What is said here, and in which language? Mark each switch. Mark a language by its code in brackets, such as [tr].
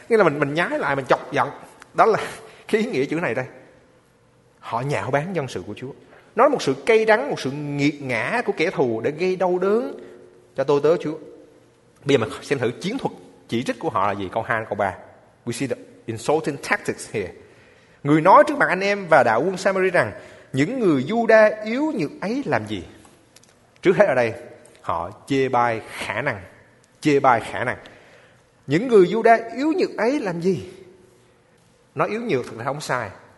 [vi] Nghĩa là mình nhái lại, mình chọc giận. Đó là cái ý nghĩa chữ này đây. Họ nhạo báng dân sự của Chúa. Nó là một sự cay đắng, một sự nghiệt ngã của kẻ thù để gây đau đớn cho tôi tớ Chúa. Bây giờ mình xem thử chiến thuật chỉ trích của họ là gì, câu 2, câu 3. [en] We see the insulting tactics here. [vi] Người nói trước mặt anh em và đạo quân Samaria rằng những người Juda yếu nhược ấy làm gì? Trước hết ở đây, họ chê bai khả năng. Chê bai khả năng. Những người Juda yếu nhược ấy làm gì? Nó yếu nhược thật là không sai.